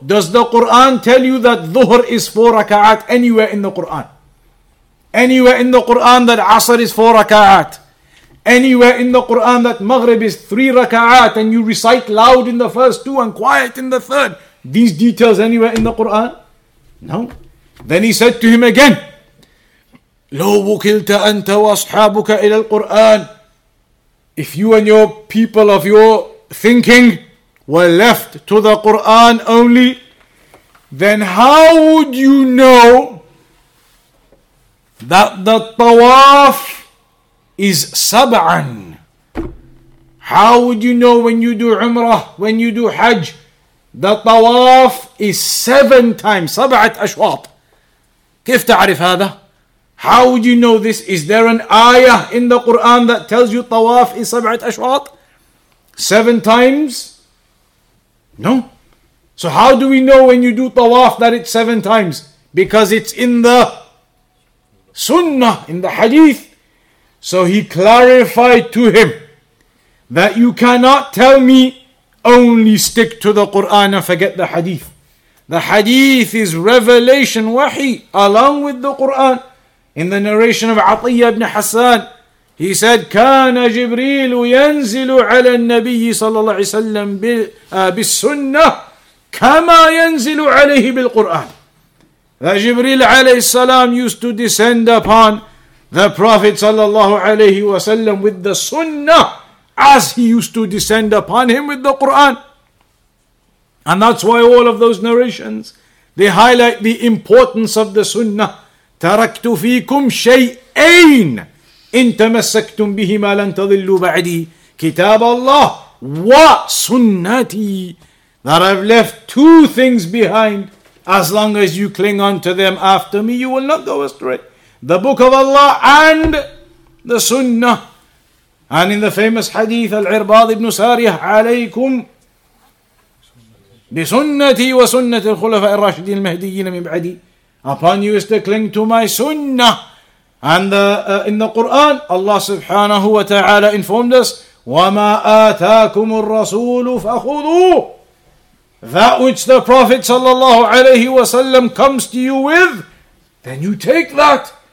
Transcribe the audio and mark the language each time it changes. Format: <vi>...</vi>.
<en>Does the Quran tell you that Dhuhr is 4 rak'at anywhere in the Quran? Anywhere in the Quran that عصر is 4 rak'at? Anywhere in the Quran that Maghrib is 3 rak'at and you recite loud in the first 2 and quiet in the 3rd? These details anywhere in the Quran? No. Then he said to him again,</en> <ar>لو وكلت أنت وأصحابك إلى القرآن.</ar> <en>If you and your people of your thinking were left to the Quran only, then how would you know that the tawaf is sab'an? How would you know when you do umrah, when you do hajj, the tawaf is 7 times, sab'at ashwat?</en> <ar>كيف تعرف هذا?</ar> <en>How would you know this? Is there an ayah in the Quran that tells you tawaf is sab'at ashwat? 7 times? No. So how do we know when you do tawaf that it's 7 times? Because it's in the sunnah, in the hadith. So he clarified to him that you cannot tell me only stick to the Quran and forget the hadith. The hadith is revelation, wahi, along with the Quran. In the narration of Atiyah ibn Hassan, he said,</en> <ar>كان جبريل ينزل على النبي صلى الله عليه وسلم بالسنة كما ينزل عليه بالقرآن.</ar> <en>That Jibreel alayhi salam used to descend upon the Prophet sallallahu alayhi wa sallam with the sunnah as he used to descend upon him with the Quran. And that's why all of those narrations, they highlight the importance of the sunnah.</en> <ar>تَرَكْتُ فِيكُمْ شَيْئَيْنَ إِن تَمَسَّكْتُمْ بِهِمَا لَن تَضِلُّوا بَعْدِي كِتَابَ اللَّهِ وَسُنَّتِي.</ar> <en>That I've left 2 things behind. As long as you cling on to them after me, you will not go astray. The Book of Allah and the Sunnah. And in the famous hadith, Al-Irbad ibn Sariyah,</en> <ar>عليكم بسنتي وسنة الخلفاء الراشدين المهديين من بعدي.</ar> <en>Upon you is to cling to my Sunnah. And in the Quran, Allah subhanahu wa ta'ala informed us,</en> <ar>وَمَا آتَاكُمُ الرَّسُولُ فَخُذُوهُ.</ar> <en>That which the Prophet sallallahu alayhi wa sallam comes to you with, then you take that.</en>